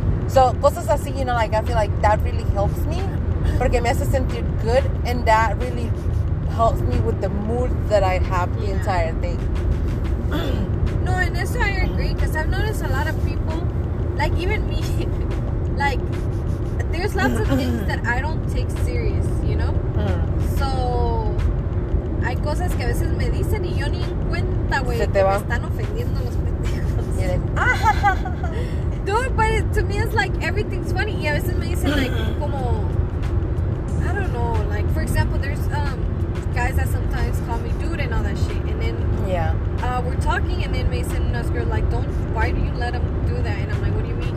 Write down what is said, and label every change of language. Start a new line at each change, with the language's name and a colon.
English: So,
Spanish: cosas así,
English: you know, like, I feel like that really helps me.
Spanish: Porque me hace sentir
English: good, and that really helps me with the mood that I have the entire day. No, and that's why I agree, because I've noticed a lot of people, like, even me, like, there's lots of things that I don't take serious, you know?
Spanish: So, hay cosas que a veces me dicen y yo ni en cuenta, güey, que me están ofendiendo los pendejos.
English: Dude, but it, to me, it's like, everything's funny,
Spanish: y a veces me dicen,
English: like,
Spanish: como...
English: I don't know, like, for example, there's guys that sometimes call me dude and all that shit, and then we're talking, and then Mason and Oscar are like, why do you let them do that? And I'm like, what do you mean?